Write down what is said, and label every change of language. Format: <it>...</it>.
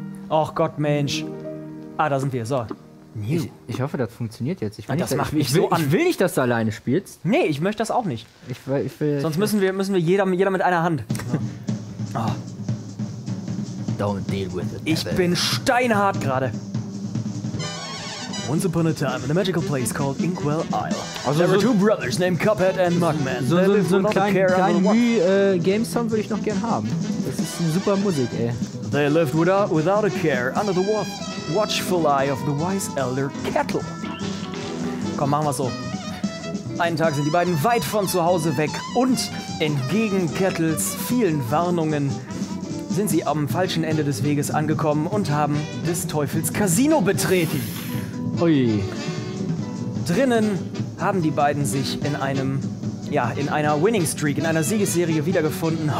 <de>Och Gott, Mensch. Ah, da sind wir. So. Ich hoffe, das funktioniert jetzt. Ich will nicht, dass du alleine spielst. Nee, ich möchte das auch nicht. Sonst müssen wir jeder mit einer Hand. So. Oh.</de> <en>Don't deal with it.</en> <de>Ich bin steinhart gerade.</de> <en>Once upon a time, in a magical place called Inkwell Isle. Also there were two brothers named Cuphead and Mugman.</en> <de>So ein kleinen Game-Song würde ich noch gern haben. Das ist eine super Musik, ey.</de> <en>They lived without a care under the watchful eye of the wise elder Kettle.</en> <de>Komm, machen wir so. Einen Tag sind die beiden weit von zu Hause weg und entgegen Kettles vielen Warnungen sind sie am falschen Ende des Weges angekommen und haben des Teufels Casino betreten. Ui. Drinnen haben die beiden sich in einem, ja, in einer Winning Streak, in einer Siegesserie wiedergefunden.</de>